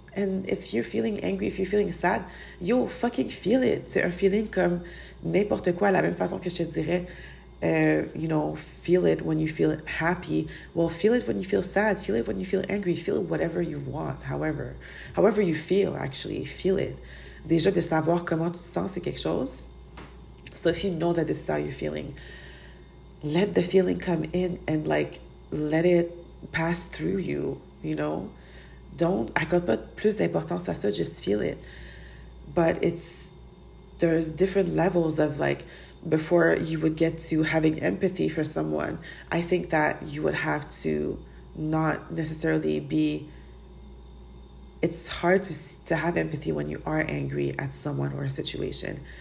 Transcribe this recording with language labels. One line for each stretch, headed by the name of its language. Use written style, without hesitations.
English: And if you're feeling angry, if you're feeling sad, yo, fucking feel it.
French: C'est un feeling comme n'importe quoi, la même façon que je te dirais,
English: you know, feel it when you feel happy. Well, feel it when you feel sad. Feel it when you feel angry. Feel it whatever you want, however you feel, actually, feel it.
French: Déjà de savoir comment tu te sens, c'est quelque chose.
English: So if you know that this is how you're feeling, let the feeling come in and like let it pass through you, you know? Don't,
French: accorde pas plus d'importance à ça,
English: just feel it. But there's different levels of like, before you would get to having empathy for someone, I think that you would have to not necessarily be, it's hard to have empathy when you are angry at someone or a situation.